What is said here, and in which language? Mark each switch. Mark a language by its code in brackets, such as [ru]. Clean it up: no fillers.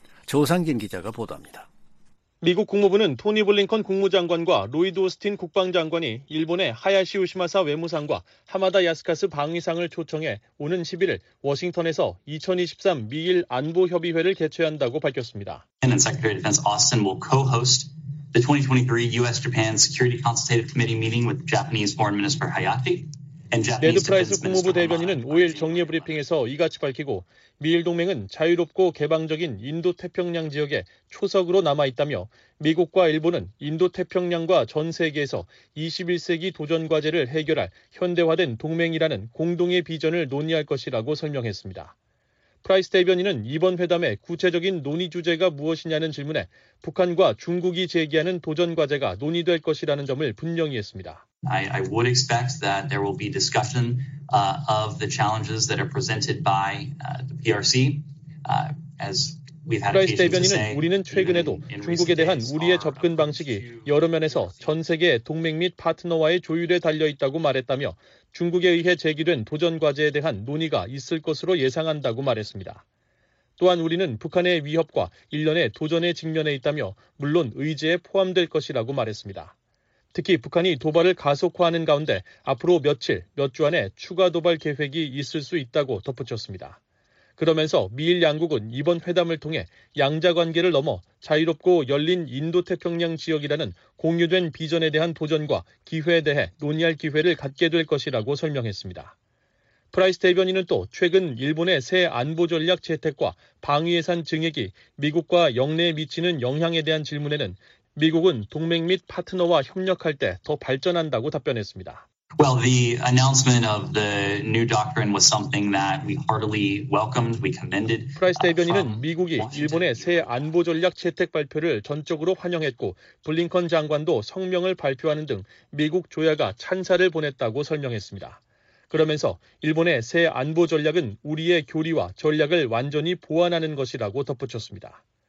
[ko] 조상진 기자가 보도합니다. 미국 국무부는 토니 블링컨 국무장관과 로이드 오스틴 국방장관이 일본의 하야시 우시마사 외무상과 하마다 야스카스 방위상을 초청해 오는 11일 워싱턴에서 2023 미일 안보협의회를 개최한다고 밝혔습니다. [en] And Secretary of Defense Austin will co-host the 2023 U.S.-Japan Security Consultative Committee meeting with Japanese Foreign Minister Hayashi. [ko] 레드 프라이스 국무부 대변인은 5일 정례 브리핑에서 이같이 밝히고 미일 동맹은 자유롭고 개방적인 인도태평양 지역에 초석으로 남아있다며 미국과 일본은 인도태평양과 전 세계에서 21세기 도전 과제를 해결할 현대화된 동맹이라는 공동의 비전을 논의할 것이라고 설명했습니다. 프라이스 대변인은 이번 회담의 구체적인 논의 주제가 무엇이냐는 질문에 북한과 중국이 제기하는 도전 과제가 논의될 것이라는 점을 분명히 했습니다. [en] I would expect that there will be discussion of the challenges that are presented by the PRC as we've had occasion to say. [ko] 대변인은 우리는 최근에도 중국에 대한 우리의 접근 방식이 여러 면에서 전 세계 동맹 및 파트너와의 조율에 달려 있다고 말했다며 중국에 의해 제기된 도전 과제에 대한 논의가 있을 것으로 예상한다고 말했습니다. 또한 우리는 북한의 위협과 일련의 도전에 직면해 있다며 물론 의제에 포함될 것이라고 말했습니다. 특히 북한이 도발을 가속화하는 가운데 앞으로 며칠, 몇 주 안에 추가 도발 계획이 있을 수 있다고 덧붙였습니다. 그러면서 미일 양국은 이번 회담을 통해 양자 관계를 넘어 자유롭고 열린 인도태평양 지역이라는 공유된 비전에 대한 도전과 기회에 대해 논의할 기회를 갖게 될 것이라고 설명했습니다. 프라이스 대변인은 또 최근 일본의 새 안보 전략 채택과 방위 예산 증액이 미국과 영내에 미치는 영향에 대한 질문에는 미국은 동맹 및 파트너와 협력할 때 더 발전한다고 답변했습니다. [en] Well, the announcement of the new doctrine was something that we heartily welcomed, we commended. [ko] 프라이스 대변인은 미국이 일본의 새 안보 전략 채택 발표를 전적으로 환영했고 블링컨 장관도 성명을 발표하는 등 미국 조야가 찬사를 보냈다고 설명했습니다. 그러면서 일본의 새 안보 전략은 우리의 교리와 전략을 완전히 보완하는 것이라고 덧붙였습니다.